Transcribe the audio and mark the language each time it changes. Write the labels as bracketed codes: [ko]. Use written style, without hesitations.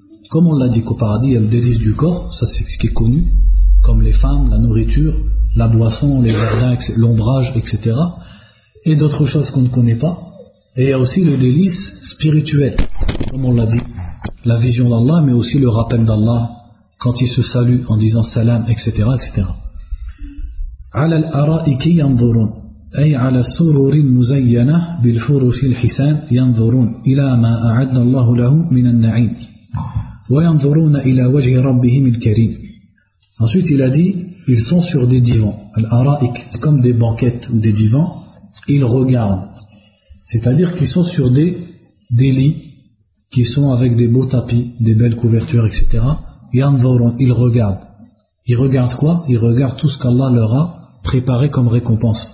[fr] Comme on l'a dit qu'au paradis, il y a le délice du corps, ça c'est ce qui est connu, comme les femmes, la nourriture, la boisson, les jardins, l'ombrage, etc. Et d'autres choses qu'on ne connaît pas. Et il y a aussi le délice spirituel, comme on l'a dit. La vision d'Allah, mais aussi le rappel d'Allah, quand il se salue en disant salam, etc. etc. [ar] عَلَى الْأَرَائِكِ يَنْظُرُونَ أي عَلَى السُّرُورِ الْمُزَيَّنَةِ بِالْفُرُوشِ الْحِسَانِ يَنْظُرُونَ إِلَى مَا أَعَدَّ اللَّهُ لَهُمْ مِنَ النَّعِيمِ وَيَنْظُرُونَ إِلَى وَجْهِ رَبِّهِمِ الْكَرِيمِ [fr] Ensuite, il a dit, ils sont sur des divans. الْأَرَائِكِ comme des banquettes ou des divans. Ils regardent, c'est-à-dire qu'ils sont sur des lits qui sont avec des beaux tapis, des belles couvertures, etc. Ils regardent. Ils regardent quoi ? Ils regardent tout ce qu'Allah leur a préparé comme récompense.